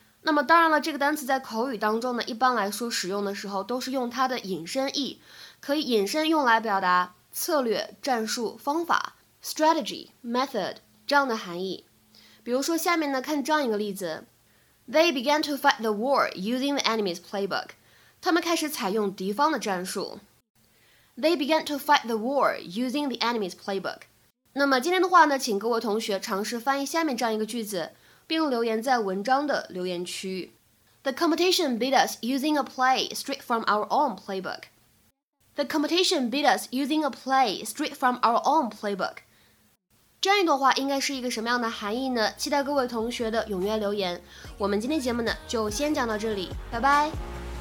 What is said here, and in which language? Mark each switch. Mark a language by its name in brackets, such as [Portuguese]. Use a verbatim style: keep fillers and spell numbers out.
[Chinese] 那么当然了，这个单词在口语当中呢，一般来说使用的时候都是用它的引申义，可以引申用来表达策略、战术、方法 [English] strategy, method [Chinese] 这样的含义。比如说下面呢，看这样一个例子 [English] They began to fight the war using the enemy's playbook. [Chinese] 他们开始采用敌方的战术。 [English] They began to fight the war using the enemy's playbook. [Chinese] 那么今天的话呢，请各位同学尝试翻译下面这样一个句子，并留言在文章的留言区。 [English] The competition beat us using a play straight from our own playbook. The competition beat us using a play straight from our own playbook. [Chinese] 这样一段话应该是一个什么样的含义呢？期待各位同学的踊跃留言。我们今天节目呢，就先讲到这里，拜拜。